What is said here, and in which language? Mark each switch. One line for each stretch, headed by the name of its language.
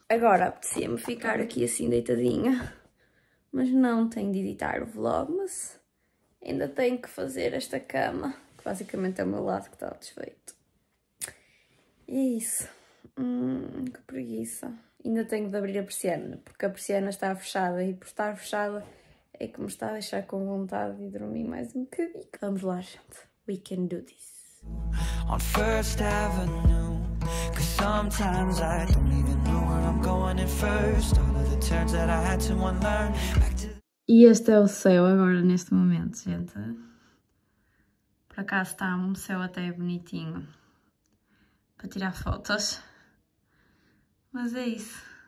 Portuguese: Agora, apetecia-me ficar aqui assim deitadinha, mas não tenho de editar o vlog, mas ainda tenho que fazer esta cama, que basicamente é o meu lado que está desfeito. E é isso, que preguiça. Ainda tenho de abrir a persiana, porque a persiana está fechada e por estar fechada é que me está a deixar com vontade de dormir mais um bocadinho. Vamos lá, gente.
English: We can do this. On First Avenue, 'cause sometimes I don't even know where I'm going at first. All of the turns that I had to unlearn.
Portuguese: E este é o céu agora neste momento, gente. Por acaso está um céu até bonitinho para tirar fotos, mas é isso.